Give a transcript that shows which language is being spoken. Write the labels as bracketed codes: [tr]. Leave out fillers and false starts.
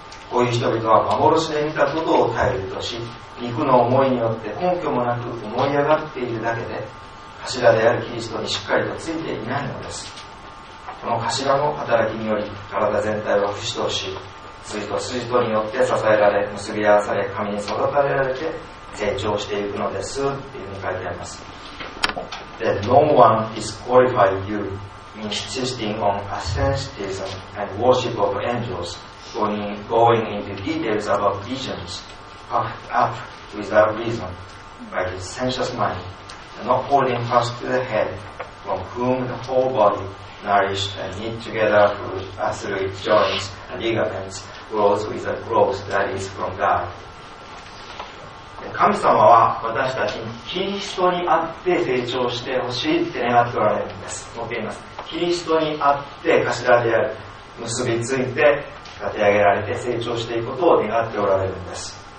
[ja] こういう人々は幻で見たことを頼りとし、肉の思いによって根拠もなく思い上がっているだけで、柱であるキリストにしっかりとついていないのです。この柱の働きにより、体全体は不死とし、筋と筋とによって支えられ、結び合わされ、神に育てられて成長していくのです、というふうに書いてあります。 [en] で、No one disqualified you in insisting on asceticism and worship of angels. Going into details about visions puffed up without reason by his sensuous mind, and not holding fast to the head, from whom the whole body, nourished and knit together through its joints and ligaments, grows with a growth that is from God. [ja] 神様は私たちにキリストにあって成長してほしいって願っておられるんです。持っています。キリストにあって頭である結びついて立て上げられて成長していくことを願っておられるんです。